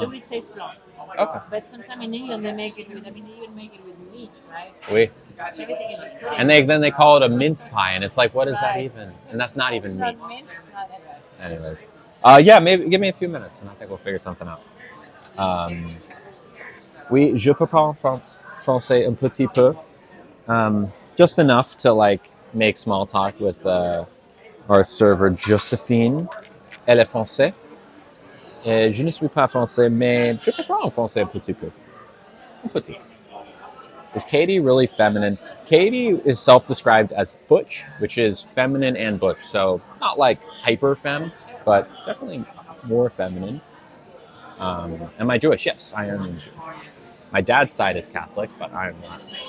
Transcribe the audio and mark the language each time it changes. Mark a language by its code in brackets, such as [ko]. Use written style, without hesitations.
[en] But we say flan. Okay. But sometimes in England, they make it with, I mean, they even make it with meat, right? [fr] Oui. [en] So everything is pudding. And then they call it a mince pie, and it's like, what is that even? And that's not even meat. It's not mince, it's not ever. Anyways. Maybe give me a few minutes, and I think we'll figure something out. [fr] Oui, je peux parler français un petit peu. [en] Just enough to, like, make small talk with our server, Josephine. [fr] Elle est française. Et je ne suis pas français, mais je peux parler français un petit peu. Un petit peu. [en] Is Katie really feminine? Katie is self-described as butch, which is feminine and butch. So not, like, hyper-femme, but definitely more feminine. Am I Jewish? Yes, I am Jewish. My dad's side is Catholic, but I'm not.